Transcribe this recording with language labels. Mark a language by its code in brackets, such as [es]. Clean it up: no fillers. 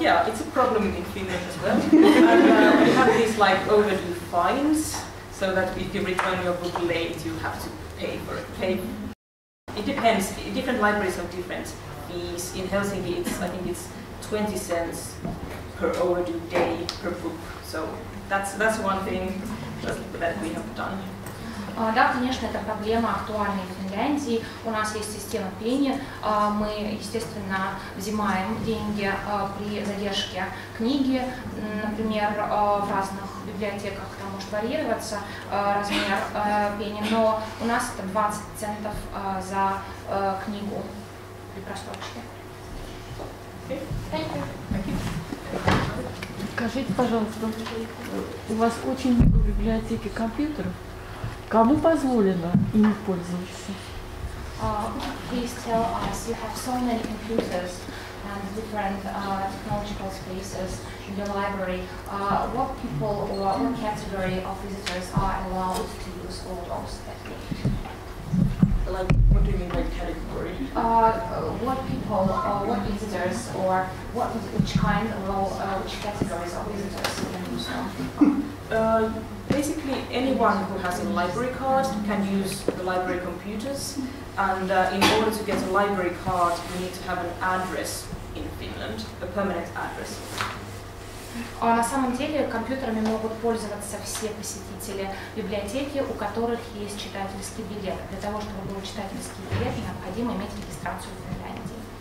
[en] Yeah, it's a problem in Finland as well. And, we have these like overdue fines, so that if you return your book late, you have to pay for it. It depends. Different libraries have different fees. In Helsinki, I think it's 20 cents per overdue day per book. So that's one thing that we have done. [ru] Да, конечно, это проблема актуальная в Финляндии. У нас есть система пени. Мы, естественно, взимаем деньги при задержке книги, например, в разных библиотеках. Там может варьироваться размер пени, но у нас это 20 центов за книгу при просрочке. Скажите, пожалуйста, у вас очень много в библиотеке компьютеров? Кому позволено им пользоваться? [en] Please tell us, you have so many computers and different technological spaces in your library. What people or what category of visitors are allowed to use all those techniques? Like, what do you mean by category? What people, what visitors, or what which kind of which categories of visitors can use them? Basically, anyone who has a library card can use the library computers, and in order to get a library card, you need to have an address in Finland, a permanent address. [ru] На самом деле, компьютерами могут пользоваться все посетители библиотеки, у которых есть читательский билет. Для того, чтобы был читательский билет, необходимо иметь регистрацию в Финляндии.